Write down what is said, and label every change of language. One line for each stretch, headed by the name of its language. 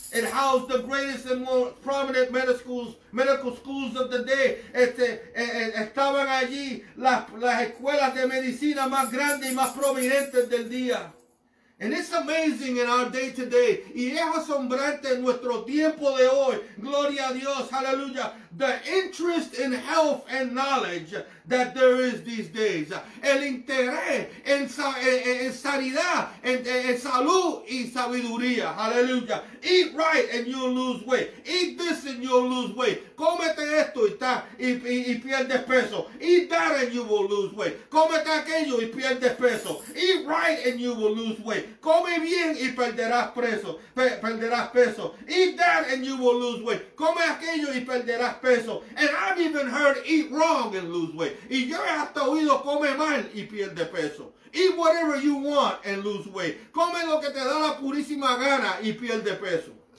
English: It housed the greatest and more prominent medical schools of the day.
Spanish: Estaban allí las escuelas de medicina más grandes y más prominentes del día.
English: And it's amazing in our day to day.
Spanish: Y es asombrante en nuestro tiempo de hoy. Gloria a Dios. Hallelujah.
English: The interest in health and knowledge that there is these days.
Spanish: El interés en sanidad, en salud y sabiduría.
English: Hallelujah. Eat right and you'll lose weight. Eat this and you'll lose weight.
Spanish: Cómete esto y pierdes peso.
English: Eat that and you will lose weight.
Spanish: Cómete aquello y pierdes peso.
English: Eat right and you will lose weight.
Spanish: Come bien y perderás peso.
English: Eat that and you will lose weight.
Spanish: Come aquello y perderás peso.
English: And I've even heard eat wrong and lose weight.
Spanish: Y yo he hasta oído come mal y pierde peso.
English: Eat whatever you want and lose weight.
Spanish: Come lo que te da la purísima gana y pierde peso.